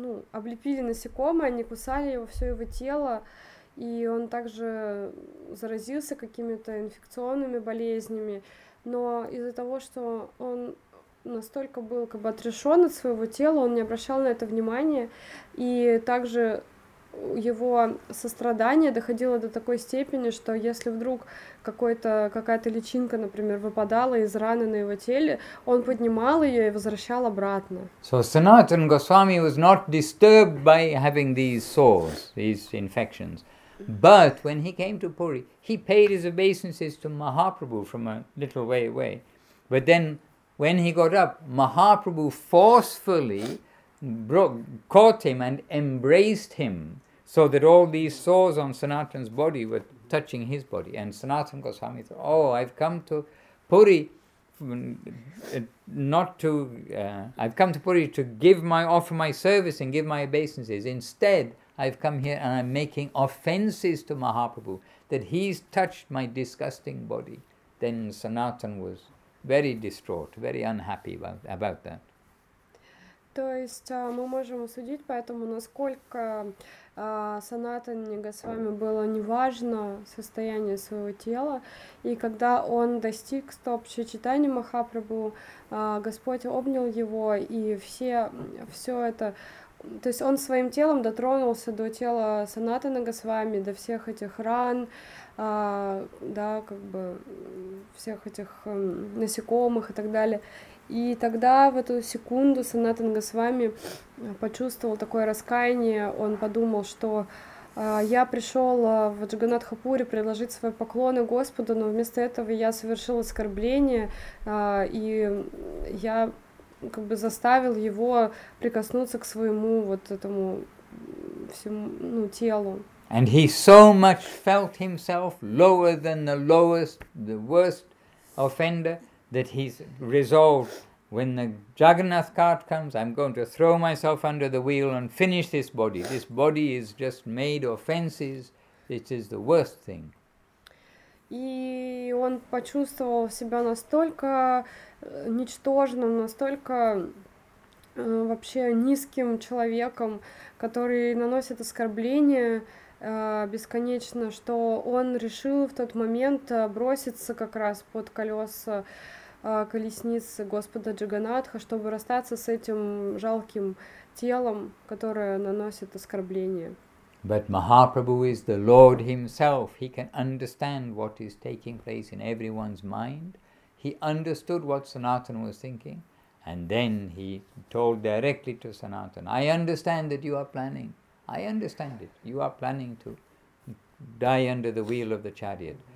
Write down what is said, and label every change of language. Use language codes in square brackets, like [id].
[ru] облепили насекомые, они кусали его, все его тело, и он также заразился какими-то инфекционными болезнями, но из-за того, что он настолько был как бы отрешён от своего тела, он не обращал на это внимания, и также его сострадание доходило до такой степени, что если вдруг какая-то личинка, например, выпадала из раны на его теле, он поднимал ее и возвращал обратно. [en] So Sanatan Goswami was not disturbed by having these sores, these infections. But when he came to Puri, he paid his obeisances to Mahaprabhu from a little way away. But then when he got up, Mahaprabhu forcefully caught him and embraced him so that all these sores on Sanatan's body were touching his body. And Sanatan Goswami thought, I've come to Puri to offer my service and give my obeisances. Instead, I've come here and I'm making offenses to Mahaprabhu that he's touched my disgusting body. Then Sanatan was very distraught, very unhappy about that. [ru] То есть мы можем судить по этому, насколько Санатан Госвами было неважно состояние своего тела, и когда он достиг стоп Чайтаньи Махапрабху, Господь обнял его, и все это, то есть он своим телом дотронулся до тела Санатана Госвами, до всех этих ран, всех этих насекомых и так далее. И тогда в эту секунду Санатан Госвами почувствовал такое раскаяние. Он подумал, что я пришел в Джаганатхапури предложить свои поклоны Господу, но вместо этого я совершил оскорбление, и я как бы заставил его прикоснуться к своему вот этому всему, ну, телу. [en] And he so much felt himself lower than the lowest, the worst offender, that he's resolved, when the Jagannath cart comes, I'm going to throw myself under the wheel and finish this body. This body is just made offenses. It is the worst thing. [ru] И он почувствовал себя настолько ничтожным, настолько вообще низким человеком, который наносит оскорбления бесконечно, что он решил в тот момент броситься как раз под колеса колесницы Господа Джаганатха, чтобы расстаться с этим жалким телом, которое наносит оскорбление. [en] But Mahaprabhu is the Lord himself. He can understand what is taking place in everyone's mind. He understood what Sanatana was thinking. And then he told directly to Sanatana, I understand that you are planning. I understand it. You are planning to die under the wheel of the chariot.